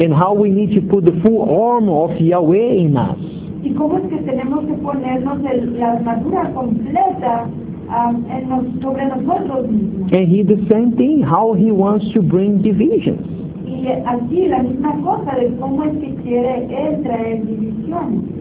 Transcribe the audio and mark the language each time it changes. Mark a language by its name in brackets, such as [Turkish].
[English] And how we need to put the full armor of Yahweh in us. [Spanish] Y cómo es que tenemos que ponernos la armadura completa sobre nosotros mismos. [English] And he the same thing, how he wants to bring divisions. [Spanish] Y aquí la misma cosa de cómo es que quiere él traer divisiones.